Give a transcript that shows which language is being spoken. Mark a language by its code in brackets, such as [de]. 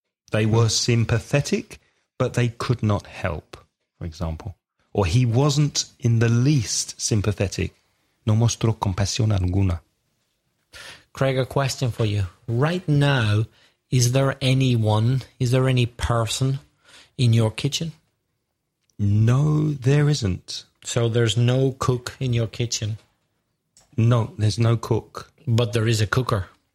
[en] They were sympathetic, but they could not help, for example. Or he wasn't in the least sympathetic. [es] No mostró compasión alguna. [en] Craig, a question for you. Right now, is there any person in your kitchen? No, there isn't. So there's no cook in your kitchen? No, there's no cook. But there is a cooker.